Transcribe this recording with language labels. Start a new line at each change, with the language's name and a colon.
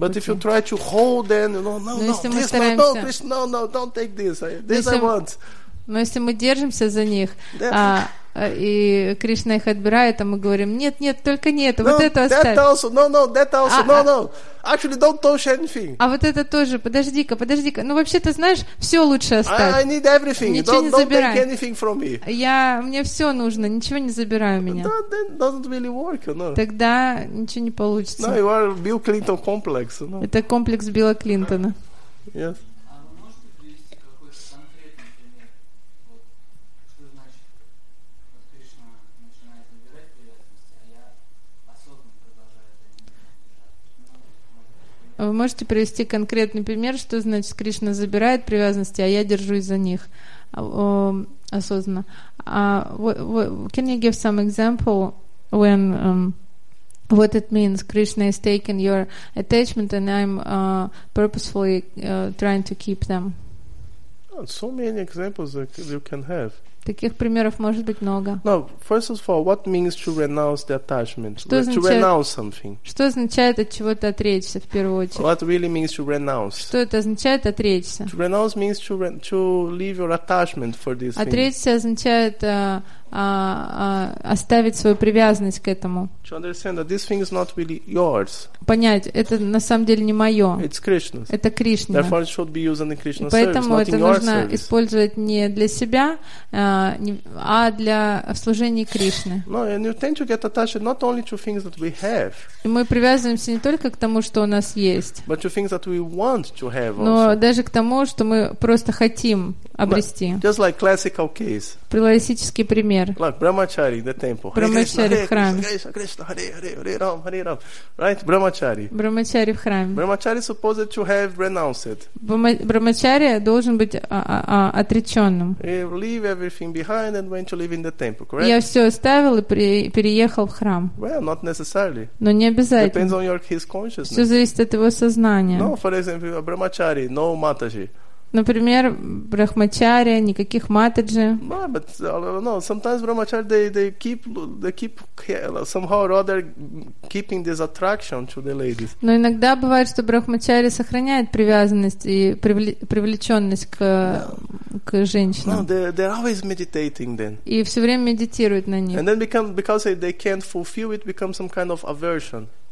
Russian: пути.
English: But if you try to hold them, don't take this. This I want.
Russian: Но если мы держимся за них, и Кришна их отбирает, а мы говорим, нет, только не это,
English: no,
Russian: вот это оставь.
English: That also, no. Actually, don't touch anything.
Russian: А вот это тоже, подожди-ка. Ну, вообще-то, знаешь, все лучше оставь.
English: I need everything.
Russian: Ничего
English: don't,
Russian: не забирай.
English: Don't take anything from me.
Russian: Мне все нужно, ничего не забирай у меня.
English: Doesn't really work, you know.
Russian: Тогда ничего не получится.
English: No, you are Bill Clinton complex, you know.
Russian: Это комплекс Билла Клинтона.
English: Yes.
Russian: Продолжает это не бежать. вы можете привести конкретный пример, что значит Кришна забирает привязанности, а я держусь за них осознанно?
English: Can you give some example when what it means Krishna is taking your attachment and I'm purposefully trying to keep them? So many examples that you can have.
Russian: Таких примеров может быть много.
English: No, first of all, what means to renounce the attachment?
Russian: Что значит,
English: to renounce something?
Russian: Что означает от чего-то отречься в первую очередь?
English: What really means to renounce?
Russian: Что это означает отречься?
English: To renounce means to to leave your attachment for this thing.
Russian: Отречься означает оставить свою привязанность к этому.
English: To understand that this thing is not really yours.
Russian: Понять, это на самом деле не мое.
English: It's Krishna.
Russian: Это Кришна.
English: Therefore, it should be used in Krishna service,
Russian: поэтому
English: not
Russian: это
English: in
Russian: нужно
English: your service.
Russian: Использовать не для себя, а для служения Кришне.
English: No, and you tend to get attached not only to things that we have.
Russian: И мы привязываемся не только к тому, что у нас есть.
English: But to things that we want to have.
Russian: Но
English: also.
Russian: Даже к тому, что мы просто хотим обрести.
English: No, just like classical case.
Russian: Классический пример.
English: Like Brahmachari in the temple.
Russian: Брахмачари в храме.
English: Krishna, Krishna, Krishna, Krishna, Krishna, Krishna, Krishna, Krishna, Krishna, Krishna, Krishna, Krishna, Krishna, Krishna, supposed to have renounced.
Russian: Брахмачари должен быть отреченным.
English: He leave everything behind and went to live in the temple, correct?
Russian: Я все оставил и переехал в храм.
English: Well, not necessarily.
Russian: Но не обязательно.
English: Depends on your his consciousness.
Russian: Все зависит от его сознания.
English: No, for example, Brahmachari, no Mataji.
Russian: Например, брахмачари, никаких матаджи.
English: No, but no. Sometimes brahmachari they keep somehow or other keeping this attraction to the ladies.
Russian: Но иногда бывает, что брахмачари сохраняет привязанность и привлеченность к женщинам.
English: No, they're always meditating then.
Russian: И все время медитируют на них.
English: And then because they can't fulfill it, becomes some kind of aversion.